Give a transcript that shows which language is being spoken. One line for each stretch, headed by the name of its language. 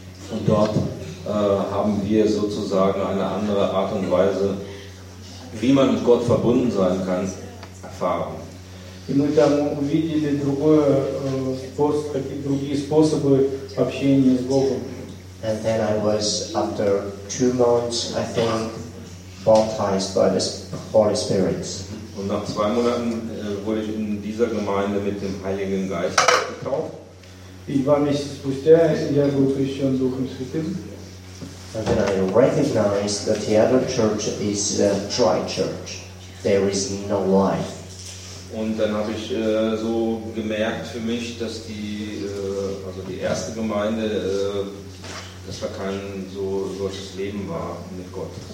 German: Und dort haben wir sozusagen eine andere Art und Weise, wie man mit Gott verbunden sein kann, erfahren.
Russian: И мы там увидели другой способ, какие другие способы общения с Богом.
English: And then I was after 2 months, I think, baptized by the Holy Spirit.
German: Und nach 2 Monaten wurde ich in dieser Gemeinde mit dem Heiligen Geist getauft. Ich war nicht spustär,
Russian: я был крещен Духом Святым.
English: And then I recognized that the other church is a dry church. There is no life.
German: Und dann habe ich so gemerkt für mich, dass die, also die erste Gemeinde, dass da kein so solches Leben war mit Gott.